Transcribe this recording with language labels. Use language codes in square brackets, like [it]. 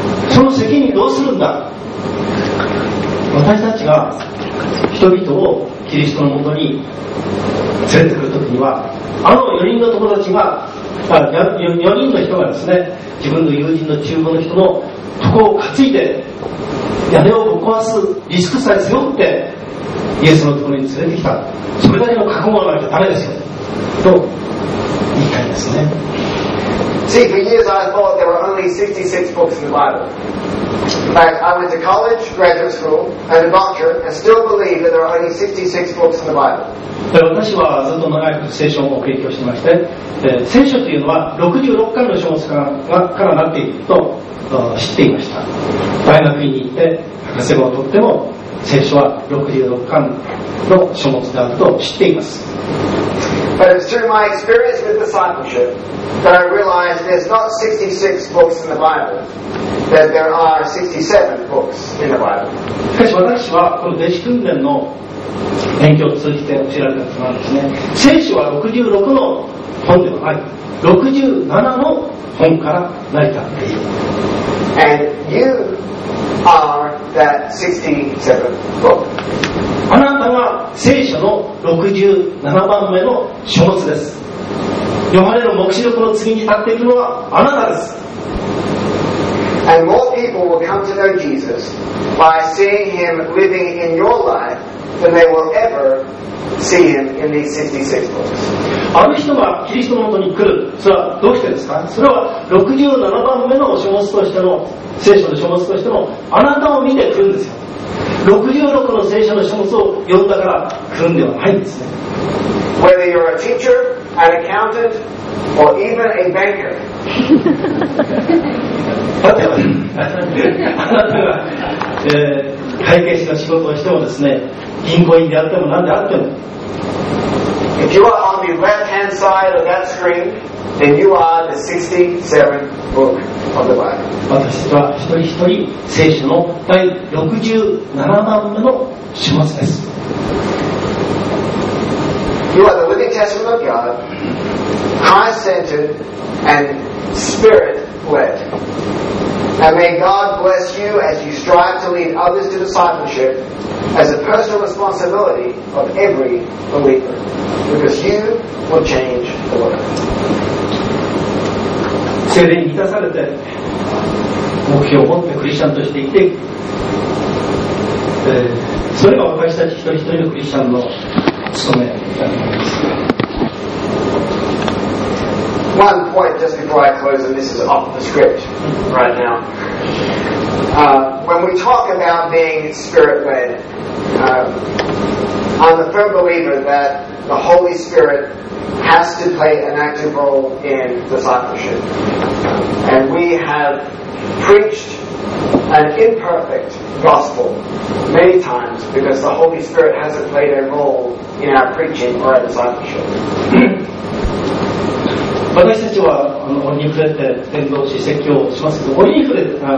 [ja] その責任どうするんだ。私たちが人々をキリストのもとに連れてくるときには、あの4人の友達が4人の人がですね、自分の友人の中央の人のとこを担いで屋根をぶっ壊すリスクさえ背負ってイエスのところに連れてきた、それなりの覚悟がないとダメですよと言いたいですね。 [en] See, for years I thought there were only 66 books in the Bible. In fact, I went to college, graduate school, and a doctor, and still believe that there are only 66 books in the Bible. [ja] 私はずっと長く聖書を勉強していまして、聖書というのは66巻の書物からなっていると知っていました。大学院に行って博士号を取っても聖書は66巻の書物であると知っています。 [en] But it's through my experience with discipleship that I realized there's not 66 books in the Bible, that there are 67 books in the Bible. [ja] しかし私はこの弟子訓練の勉強を通じて教えられたことなんですね。聖書は66の本ではない、67の本から成り立っている。 [en] And you are that 67 book. [ja] あなたは聖書の67番目の書物です。ヨハネの黙示録の次に立っているのはあなたです。 [en] And more people will come to know Jesus by seeing him living in your life than they will ever see him in these 66 books. [ja] あの人がキリストのもとに来る、それはどうしてですか？それは67番目の書物としての聖書の書物としてのあなたを見て来るんですよ。 66の聖書の書物を読んだから来るんではないんですね。 [en] Whether you're a teacher, an accountant, or even a banker. [ja] だってあなたが、会計士の仕事をしてもですね、銀行員であっても何であっても、 [en] If you are on the left hand side of that screen, then you are the 67th book of the Bible. [ja] 私は一人一人聖書の第67番目の書物です。 [en] You are the living testament of God, Christ-centered and Spirit-led. And may God bless you as you strive to lead others to discipleship as a personal responsibility of every believer. Because you will change the world. [ja] 聖霊に満たされて目標を持ってクリスチャンとして生きて、それが私たち一人一人のクリスチャンの務めだと思います。 [en] One point just before I close, and this is off the script right now. When we talk about being Spirit-led, I'm a firm believer that the Holy Spirit has to play an active role in discipleship. And we have preached an imperfect gospel many times because the Holy Spirit hasn't played a role in our preaching or our discipleship. [ja] 私たちは折に触れて伝道し説教をしますけど、折に触れて、